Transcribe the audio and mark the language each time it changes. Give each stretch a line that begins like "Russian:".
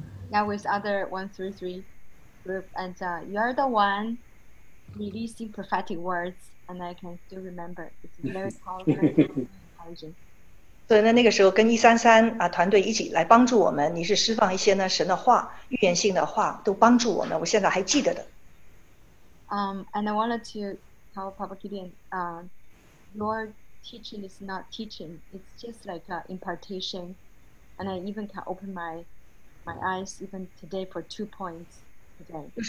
English: Now with other 133 group, and you are the one releasing prophetic words, and I can still remember. It's very powerful.
Chinese: 所以呢，那个时候跟133团队一起来帮助我们，你是释放一些呢神的话，预言性的话，都帮助我们，我现在还记得的。And
English: I wanted to tell Papa Gideon, your teaching is not teaching, it's just like an impartation, and I even can open my eyes even today for 2 points today.